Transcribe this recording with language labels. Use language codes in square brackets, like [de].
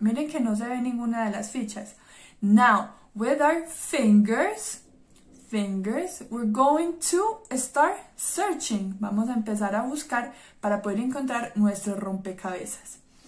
[es] Miren que no se ve ninguna de las fichas. [en] Now, with our fingers, we're going to start searching. [es] Vamos a empezar a buscar para poder encontrar nuestro rompecabezas.